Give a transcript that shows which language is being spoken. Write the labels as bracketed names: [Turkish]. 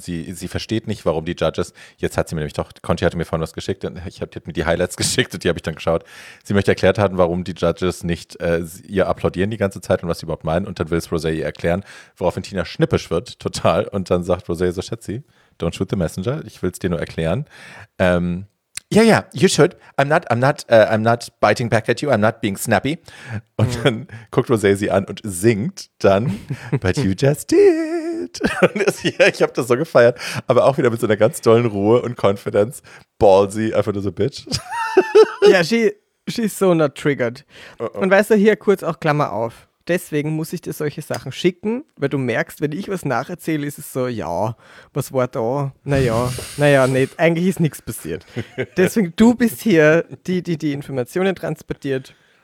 [German] Sie versteht nicht, warum die Judges, jetzt hat sie mir nämlich doch, Conti hatte mir vorhin was geschickt, die hat mir die Highlights geschickt und die habe ich dann geschaut. Sie möchte erklärt haben, warum die Judges nicht ihr applaudieren die ganze Zeit und was sie überhaupt meinen. Und dann will es Rosé ihr erklären, woraufhin Tina schnippisch wird, total. Und dann sagt Rosé so, Schätzi, don't shoot the messenger, ich will es dir nur erklären. [English] Ja, ja, you should. I'm not biting back at you. I'm not being snappy. [German] Und dann guckt Rosé sie an und singt dann, but you just did. Und das, ja, ich habe das so gefeiert, aber auch wieder mit so einer ganz tollen Ruhe und Confidence. Ballsy, einfach nur so bitch. [English] Ja, she's so not triggered. Oh. [German] Und weißt du, hier kurz auch Klammer auf. Deswegen muss ich dir solche Sachen schicken, weil du merkst, wenn ich was nacherzähle, ist es so, ja, was war da? Naja, nicht. Eigentlich ist nichts passiert. Deswegen, du bist hier, die Informationen transportiert.